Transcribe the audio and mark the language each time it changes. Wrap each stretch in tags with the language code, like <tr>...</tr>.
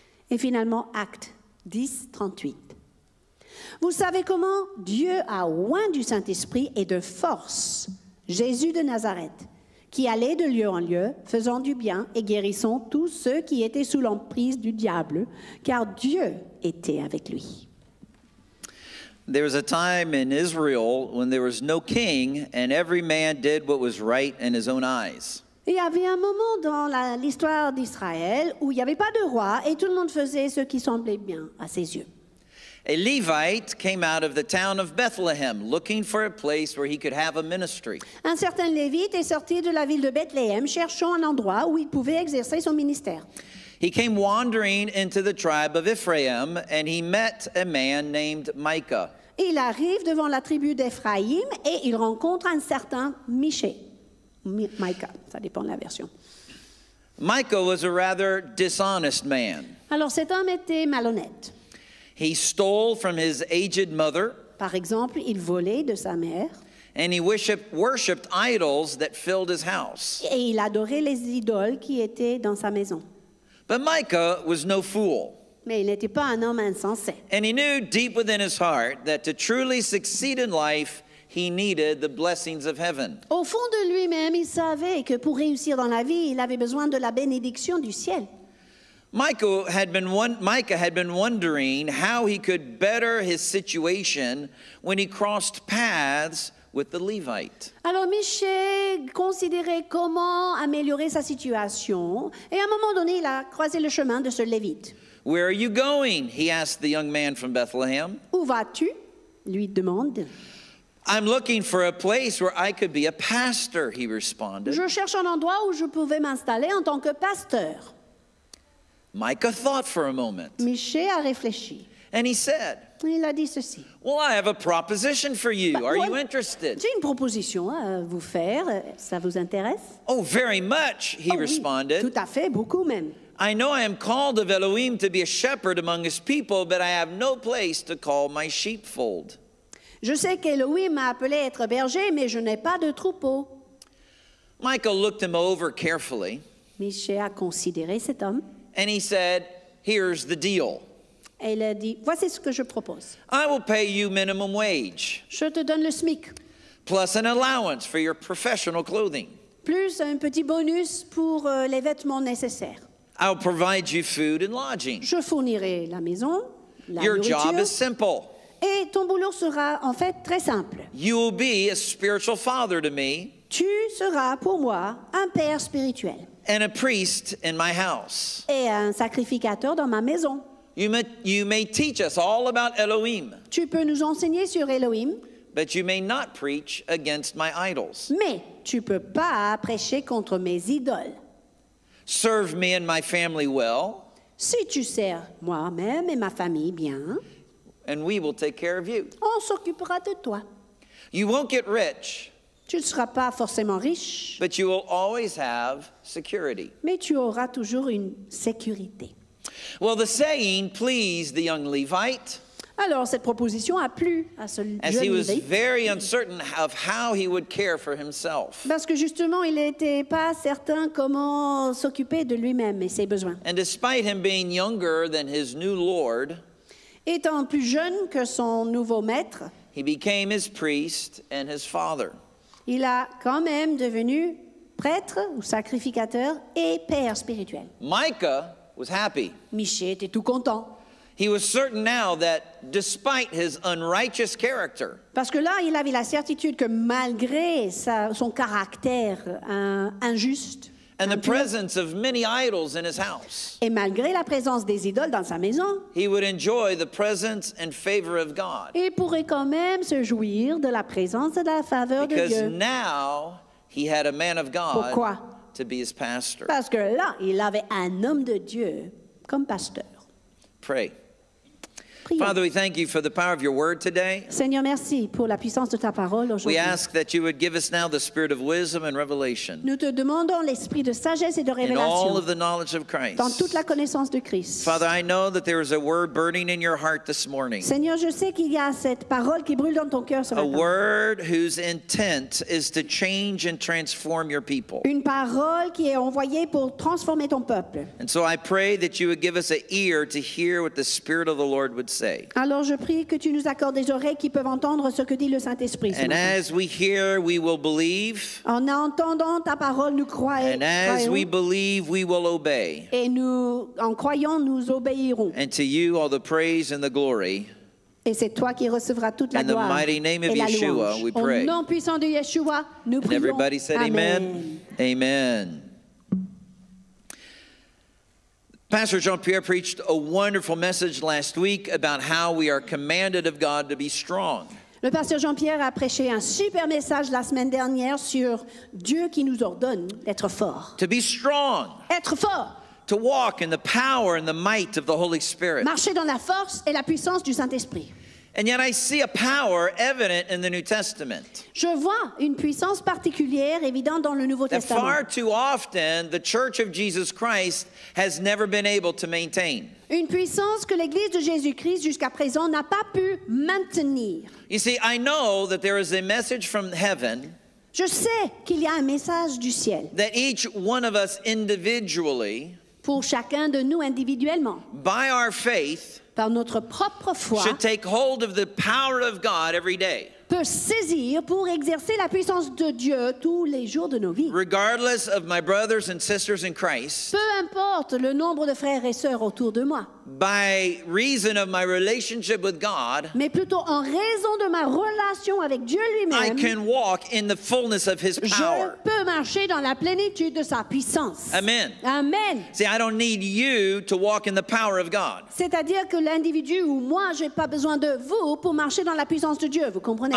<fr>Et finalement, Acte 10, 38. Vous savez comment Dieu a oint du Saint-Esprit et de force Jésus de Nazareth, qui allait de lieu en lieu, faisant du bien et guérissant tous ceux qui étaient sous l'emprise du diable, car Dieu était avec lui.</fr> <en>There was a time in Israel when there was no king and every man did what was right in his own eyes.</en> <fr>Il y avait un moment dans l'histoire d'Israël où il n'y avait pas de roi et tout le monde faisait ce qui semblait bien à ses yeux.</fr> <en>A Levite came out of the town of Bethlehem looking for a place where he could have a ministry.</en> <fr>Un certain Lévite est sorti de la ville de Bethléem cherchant un endroit où il pouvait exercer son ministère.</fr> <en>He came wandering into the tribe of Ephraim and he met a man named Micah.</en> <fr>Il arrive devant la tribu d'Éphraïm et il rencontre un certain Miché. Micah, ça dépend de la version.</fr> <en>Micah was a rather dishonest man.</en> <fr>Alors cet homme était malhonnête.</fr> <en>He stole from his aged mother.</en> <fr>Par exemple, il volait de sa mère.</fr> <en>And he worshipped idols that filled his house.</en> <fr>Et il adorait les idoles qui étaient dans sa maison.</fr> <en>But Micah was no fool.</en> <fr>Mais il n'était pas un homme insensé.</fr> <en>And he knew deep within his heart that to truly succeed in life, he needed the blessings of heaven.</en> <fr>Au fond de lui-même, il savait que pour réussir dans la vie, il avait besoin de la bénédiction du ciel.</fr> <en>Micah had been wondering how he could better his situation when he crossed paths with the Levite.</en> <fr>Alors Miché considérait comment améliorer sa situation et à un moment donné il a croisé le chemin de ce Lévite.</fr> <en>Where are you going? He asked the young man from Bethlehem.</en> <fr>Où vas-tu? Lui demande.</fr> <en>I'm looking for a place where I could be a pastor, he responded.</en> <fr>Je cherche un endroit où je pouvais m'installer en tant que pasteur.</fr> <en>Micah thought for a moment.</en> <fr>Miché a réfléchi.</fr> <en>And he said,</en> <fr>il a dit ceci.</fr> <en>Well, I have a proposition for you. You interested?</en> <fr>J'ai une proposition à vous faire. Ça vous intéresse?</fr> <en>Oh, very much, he responded.</en> <fr>Tout à fait, beaucoup même.</fr> <en>I know I am called of Elohim to be a shepherd among his people, but I have no place to call my sheepfold.</en> <fr>Je sais qu'Elohim m'a appelé à être berger, mais je n'ai pas de troupeau.</fr> <en>Michael looked him over carefully.</en> <fr>Miché a considéré cet homme.</fr> <en>And he said, here's the deal.</en> <fr>Et il a dit, voici ce que je propose.</fr> <en>I will pay you minimum wage.</en> <fr>Je te donne le SMIC.</fr> <en>Plus an allowance for your professional clothing.</en> <fr>Plus un petit bonus pour les vêtements nécessaires.</fr> <en>I'll provide you food and lodging.</en> <fr>Je fournirai la maison, la nourriture.</fr> <en>Your job is simple.</en> <fr>Et ton boulot sera en fait très simple.</fr> <en>You will be a spiritual father to me.</en> <fr>Tu seras pour moi un père spirituel.</fr> <en>And a priest in my house.</en> <fr>Et un sacrificateur dans ma maison.</fr> <en>You may teach us all about Elohim.</en> <fr>Tu peux nous enseigner sur Elohim.</fr> <en>But you may not preach against my idols.</en> <fr>Mais tu peux pas prêcher contre mes idoles.</fr> <en>Serve me and my family well.</en> <fr>Si tu sers moi-même et ma famille bien.</fr> <en>And we will take care of you.</en> <fr>On s'occupera de toi.</fr> <en>You won't get rich.</en> <fr>Tu ne seras pas forcément riche.</fr> <en>But you will always have security.</en> <fr>Mais tu auras toujours une sécurité.</fr> <en>Well, the saying pleased the young Levite.</en> <fr>Alors cette proposition a plu à ce jeune évêque.</fr> <en>As he was very uncertain of how he would care for himself.</en> <fr>Parce que justement, il n'était pas certain comment s'occuper de lui-même et ses besoins.</fr> <en>And despite him being younger than his new lord,</en> <fr>étant plus jeune que son nouveau maître,</fr> <en>he became his priest and his father.</en> <fr>Il a quand même devenu prêtre ou sacrificateur et père spirituel.</fr> <en>Micah was happy.</en> <fr>Michée était tout content.</fr> <en>He was certain now that despite his unrighteous character,</en> <fr>parce que là, il avait la certitude que malgré son caractère injuste,</fr> <en>and the presence of many idols in his house,</en> <fr>et malgré la présence des idoles dans sa maison,</fr> <en>he would enjoy the presence and favor of God.</en> <fr>Il pourrait quand même se jouir de la présence et de la faveur de Dieu.</fr> <en>Because now he had a man of God.</en> <fr>Pourquoi?</fr> <en>To be his pastor.</en> <fr>Parce que là, il avait un homme de Dieu comme pasteur.</fr> <en>Pray. Father, we thank you for the power of your word today.</en> <fr>Seigneur, merci pour la puissance de ta parole aujourd'hui.</fr> <en>We ask that you would give us now the spirit of wisdom and revelation.</en> <fr>Nous te demandons l'esprit de sagesse et de révélation.</fr> <en>In all of the knowledge of Christ.</en> <fr>Dans toute la connaissance de Christ.</fr> <en>Father, I know that there is a word burning in your heart this morning.</en> <fr>Seigneur, je sais qu'il y a cette parole qui brûle dans ton cœur ce matin.</fr> <en>A word whose intent is to change and transform your people.</en> <fr>Une parole qui est envoyée pour transformer ton peuple.</fr> <en>And so I pray that you would give us an ear to hear what the spirit of the Lord would say.</en> <fr>Alors je prie que tu nous accordes des oreilles qui peuvent entendre ce que dit le Saint-Esprit.</fr> <en>And as we hear, we will believe.</en> <fr>En entendant ta parole, nous croyons.</fr> <en>And as we believe, we will obey.</en> <fr>Et nous, en croyant, nous obéirons.</fr> <en>And to you all the praise and the glory.</en> <fr>Et c'est toi qui recevras toute la gloire et la louange.</fr> <en>In the mighty name of Yeshua, we pray.</en> <fr>Au nom puissant de Yeshua, nous prions.</fr> <en>And everybody said amen. Amen. Pastor Jean-Pierre preached a wonderful message last week about how we are commanded of God to be strong.</en> <fr>Le pasteur Jean-Pierre a prêché un super message la semaine dernière sur Dieu qui nous ordonne d'être fort.</fr> <en>To be strong.</en> <fr>Être fort.</fr> <en>To walk in the power and the might of the Holy Spirit.</en> <fr>Marcher dans la force et la puissance du Saint-Esprit.</fr> <en>And yet I see a power evident in the New Testament.</en> <fr>Je vois une puissance particulière évidente dans le Nouveau Testament.</fr> <en>That far too often the Church of Jesus Christ has never been able to maintain.</en> <fr>Une puissance que l'Église de Jésus-Christ jusqu'à présent n'a pas pu maintenir.</fr> <en>You see, I know that there is a message from heaven.</en> <fr>Je sais qu'il y a un message du ciel.</fr> <en>That each one of us individually,</en> <fr>pour chacun de nous individuellement,</fr> <en>by our faith,</en> <fr>par notre propre foi,</fr> <en>should take hold of the power of God every day.</en> <fr>Peut saisir pour exercer la puissance de Dieu tous les jours de nos vies.</fr> <en>Regardless of my brothers and sisters in Christ,</en> <fr>peu importe le nombre de frères et sœurs autour de moi,</fr> <en>by reason of my relationship with God,</en> <fr>mais plutôt en raison de ma relation avec Dieu lui-même,</fr> <en>I can walk in the fullness of his power.</en> <fr>Je peux marcher dans la plénitude de sa puissance.</fr> <en>Amen.</en> <fr>Amen.</fr> <en>See, I don't need you to walk in the power of God.</en> <fr>C'est-à-dire que l'individu ou moi, j'ai pas besoin de vous pour marcher dans la puissance de Dieu, vous comprenez?</fr>